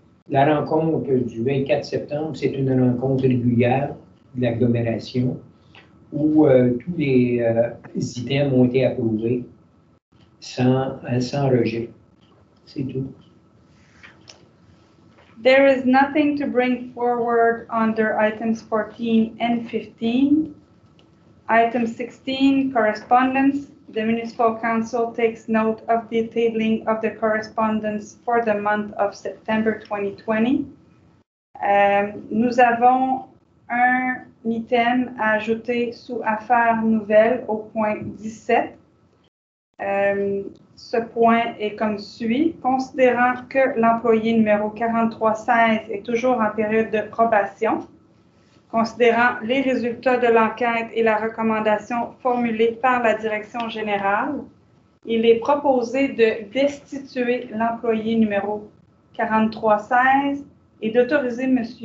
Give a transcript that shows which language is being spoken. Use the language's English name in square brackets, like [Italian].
[French] La rencontre du 24 septembre, c'est une rencontre régulière de l'agglomération où tous les items ont été approuvés sans rejet. C'est tout. [English] There is nothing to bring forward under items 14 and 15. Item 16, correspondence. The Municipal Council takes note of the tabling of the correspondence for the month of September 2020. [French] Nous avons un item à ajouter sous affaires nouvelles au point 17. Ce point est comme suit. Considérant que l'employé numéro 4316 est toujours en période de probation, considérant les résultats de l'enquête et la recommandation formulée par la Direction générale, il est proposé de destituer l'employé numéro 4316 et d'autoriser M.